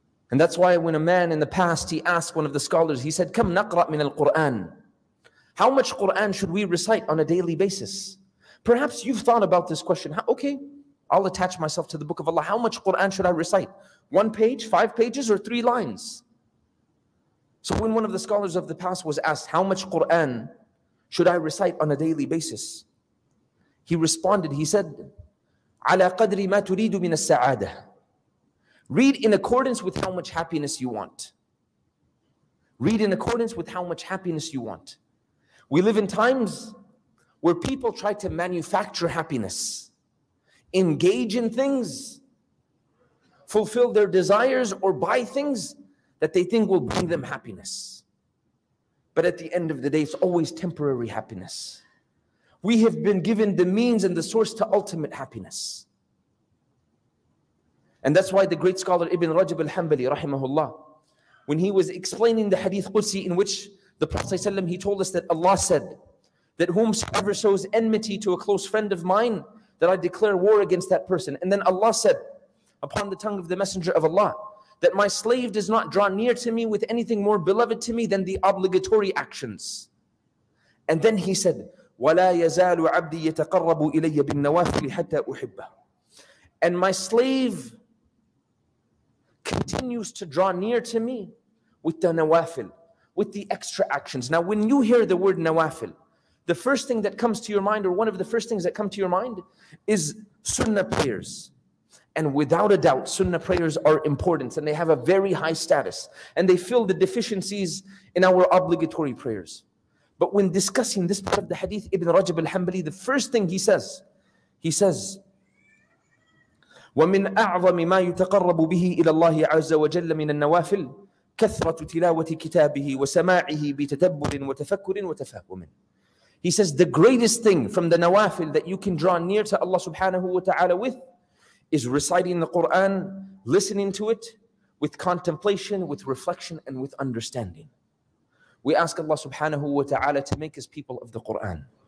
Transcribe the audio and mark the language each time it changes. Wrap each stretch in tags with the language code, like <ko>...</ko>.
<en>And that's why when a man in the past, he asked one of the scholars, he said,</en> <ar>كَمْ نَقْرَأْ مِنَ الْقُرْآنِ</ar> <en>How much Qur'an should we recite on a daily basis? Perhaps you've thought about this question. Okay, I'll attach myself to the book of Allah. How much Qur'an should I recite? One page, five pages, or three lines? So when one of the scholars of the past was asked, how much Qur'an should I recite on a daily basis? He responded, he said,</en> <ar>عَلَى قَدْرِ مَا تُرِيدُ مِنَ السَّعَادَةِ.</ar> <en>Read in accordance with how much happiness you want. Read in accordance with how much happiness you want. We live in times where people try to manufacture happiness, engage in things, fulfill their desires, or buy things that they think will bring them happiness. But at the end of the day, it's always temporary happiness. We have been given the means and the source to ultimate happiness. And that's why the great scholar Ibn Rajab al-Hanbali, rahimahullah, when he was explaining the hadith Qudsi in which the Prophet ﷺ, he told us that Allah said that whomsoever shows enmity to a close friend of mine, that I declare war against that person. And then Allah said upon the tongue of the Messenger of Allah, that my slave does not draw near to me with anything more beloved to me than the obligatory actions. And then he said,</en> <ar>وَلَا يَزَالُ عَبْدِي يَتَقَرَّبُ إِلَيَّ بِالنَّوَافِلِ حَتَّى أُحِبَّهُ.</ar> <en>And my slave continues to draw near to me with the nawafil, with the extra actions. Now, when you hear the word nawafil, the first thing that comes to your mind, or one of the first things that come to your mind, is sunnah prayers. And without a doubt, sunnah prayers are important, and they have a very high status, and they fill the deficiencies in our obligatory prayers. But when discussing this part of the hadith, Ibn Rajab al-Hanbali, the first thing he says,</en> <ar>وَمِنْ أَعْظَمِ مَا يُتَقَرَّبُ بِهِ إِلَى اللَّهِ عَزَّ وَجَلَّ مِنَ النَّوَافِلِ كَثْرَةُ تِلَاوَةِ كِتَابِهِ وَسَمَاعِهِ بِتَتَبُّرٍ وَتَفَكُّرٍ وَتَفَهُمٍ.</ar> <en>He says, the greatest thing from the nawafil that you can draw near to Allah subhanahu wa ta'ala with is reciting the Qur'an, listening to it with contemplation, with reflection, and with understanding. We ask Allah subhanahu wa ta'ala to make us people of the Qur'an.</en>